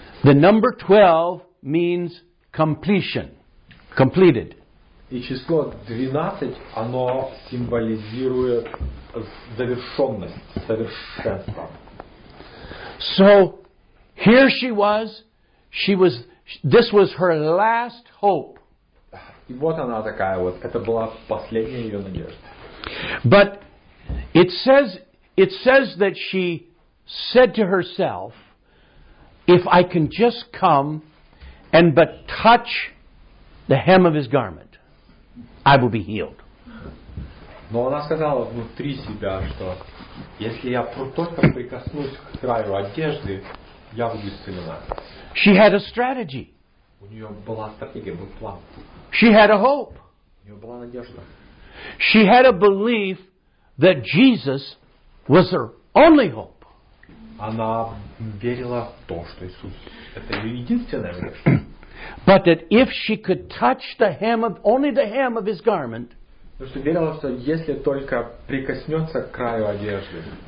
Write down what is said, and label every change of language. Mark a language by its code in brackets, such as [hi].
[en] The number 12 means completion, completed. [ru] И число 12, оно символизирует завершенность, совершенство. [en] So, here she was. This was her last hope. [ru] И вот она такая вот. Это была последняя ее надежда. [en] But it says that she said to herself, if I can just come and but touch the hem of his garment, I will be healed. [ru] Но она сказала внутри себя, что если я только прикоснусь к краю одежды, я буду исцелена. [en] She had a strategy. [ru] У нее была стратегия, был план. [en] She had a hope. [ru] У нее была надежда. [en] She had a belief that Jesus was her only hope. [ru] Она верила в то, что Иисус это ее единственная надежда. [en] But that if she could touch the hem of only the hem of his garment, [ru] потому что верила, что если только прикоснется к краю одежды,